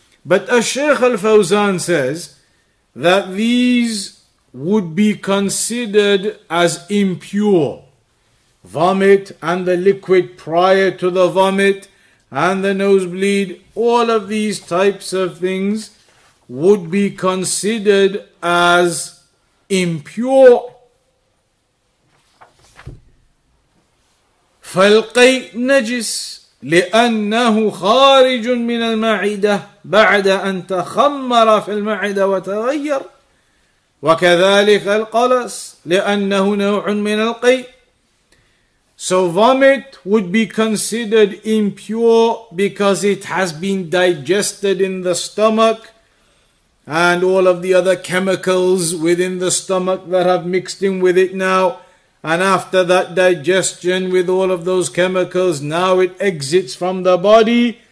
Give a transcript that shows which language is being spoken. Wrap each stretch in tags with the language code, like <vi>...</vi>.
<en>But as Sheikh Al-Fawzan says, that these would be considered as impure. Vomit and the liquid prior to the vomit and the nosebleed, all of these types of things would be considered as impure.</en> <ar>فالقيء نجس لأنه خارج من المعدة بعد أن تخمر في المعدة وتغير وكذلك القلص لأنه نوع من القيء.</ar> <en>So vomit would be considered impure because it has been digested in the stomach and all of the other chemicals within the stomach that have mixed in with it now. And after that digestion with all of those chemicals, now it exits from the body.</en>